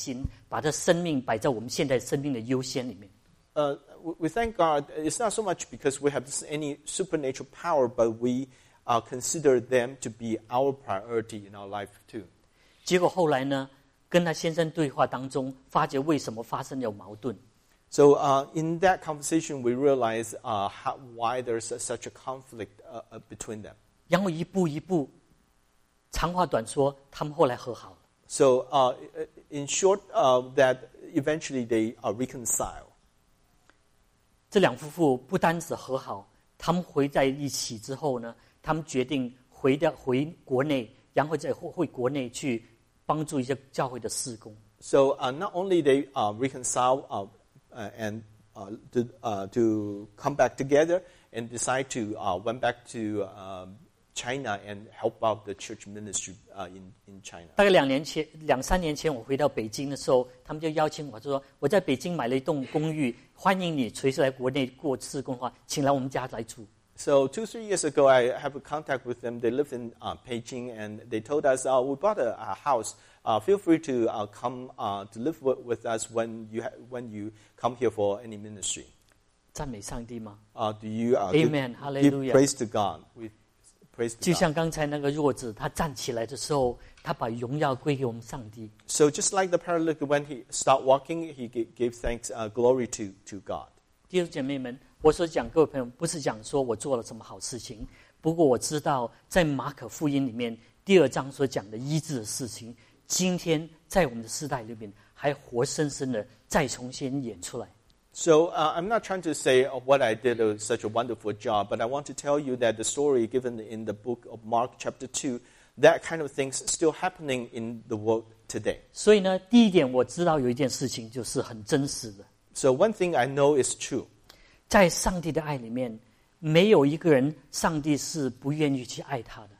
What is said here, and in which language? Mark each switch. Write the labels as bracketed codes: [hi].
[zh] 感谢上帝，因为不是因为我有什么超自然的能力，不过是带着因为我在基督里面对他的爱心，把他生命摆在我们现在生命的优先里面。 [en] We thank God. It's not so much because we have any supernatural power, but we consider them to be our priority in our life too. [zh] 结果后来呢, 跟他先生对话当中, 发觉为什么发生了矛盾。 [en] So in that conversation, we realize why there's such a conflict between them. [zh] 然后一步一步, 长话短说, 他们后来和好了。 [en] So in short, that eventually they are reconciled. [zh] 这两夫妇不单止和好, 他们回在一起之后呢，他们决定回到回国内，然后在回国内去帮助一些教会的事工。 [en] So, not only they reconcile and to come back together and decide to went back to China and help out the church ministry in China. [zh] 大概两年前，两三年前，我回到北京的时候，他们就邀请我，就说我在北京买了一栋公寓，欢迎你随时来国内过事工的话，请来我们家来住。 [en] So two, 3 years ago, I have a contact with them. They live in Beijing, and they told us, we bought a house. Feel free to come to live with us when you come here for any ministry. [zh] 赞美上帝吗？ [en] Do you Amen, Hallelujah. Give praise to God. We praise to God. [zh] 就像刚才那个弱子，他站起来的时候，他把荣耀归给我们上帝。 [en] So just like the paralytic, when he start walking, he gave thanks, glory to God. [zh] 弟兄姐妹们。我所讲各位朋友不是讲说我做了什么好事情，不过我知道在马可福音里面第二章所讲的医治的事情，今天在我们的世代里面还活生生的再重新演出来。 [en] So I'm not trying to say what I did was such a wonderful job, but I want to tell you that the story given in the book of Mark chapter 2, that kind of things still happening in the world today. [zh] 所以呢，第一点我知道有一件事情就是很真实的。 [en] So one thing I know is true. [zh] 在上帝的爱里面，没有一个人上帝是不愿意去爱他的。